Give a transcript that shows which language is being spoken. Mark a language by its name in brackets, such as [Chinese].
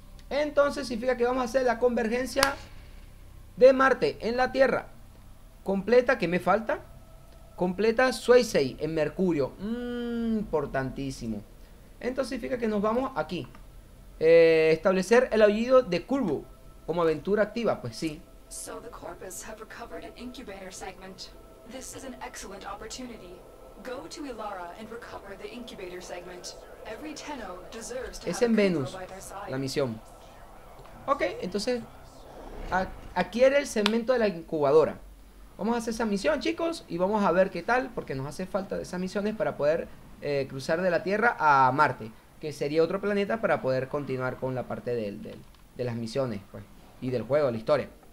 [Spanish] Entonces significa que vamos a hacer la convergencia de Marte en la Tierra. Completa, ¿qué me falta? Completa Suisei en Mercurio. Importantísimo. Entonces significa que nos vamos aquí. Establecer el aullido de Curvo como aventura activa. Pues sí. [English] So the Corpus have recovered an incubator segment. This is an excellent opportunity. Go to Ilara and recover the incubator segment. Every Tenno deserves to have a Curvo by their side. [Spanish] La misión. Ok, entonces adquiere el segmento de la incubadora. Vamos a hacer esa misión, chicos, y vamos a ver qué tal, porque nos hace falta esas misiones para poder cruzar de la Tierra a Marte, que sería otro planeta para poder continuar con la parte de las misiones, pues, y del juego, la historia.